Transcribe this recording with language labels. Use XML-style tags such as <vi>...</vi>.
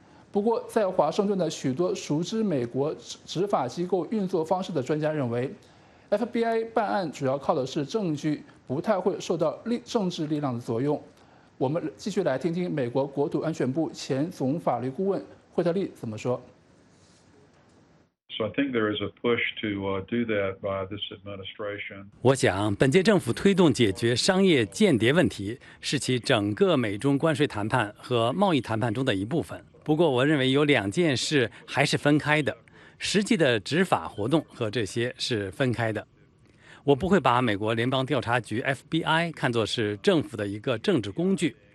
<zh>不过，在华盛顿的许多熟知美国执法机构运作方式的专家认为， FBI 办案主要靠的是证据，不太会受到政治力量的作用。我们继续来听听美国国土安全部前总法律顾问惠特利怎么说。</zh> <en>So I think there is a push to do that by this administration.</en> <zh>我想本届政府推动解决商业间谍问题是其整个美中关税谈判和贸易谈判中的一部分。不过我认为有两件事还是分开的，实际的执法活动和这些是分开的。我不会把美国联邦调查局 FBI 看作是政府的一个政治工具。</zh>